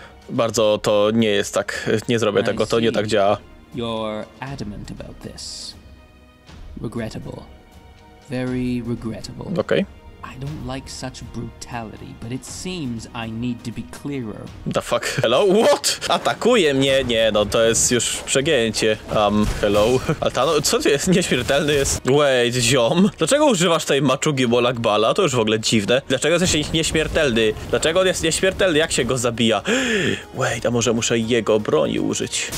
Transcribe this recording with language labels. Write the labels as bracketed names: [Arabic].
[Polish] Bardzo to nie jest tak, nie zrobię tego, to nie tak działa. [English] You're adamant about this. Regrettable. Very regrettable. Okej. I don't like such brutality, but it seems I need to be clearer. The fuck? Hello? What? [Polish] Atakuje mnie? Nie, no to jest już przegięcie. Hello? Altano, co tu jest? Nieśmiertelny jest? [English] Wait, [Polish] ziom? Dlaczego używasz tej maczugi Molagbala? To już w ogóle dziwne. Dlaczego jesteś nieśmiertelny? Dlaczego on jest nieśmiertelny? Jak się go zabija? [English] Wait, [Polish] a może muszę jego broni użyć?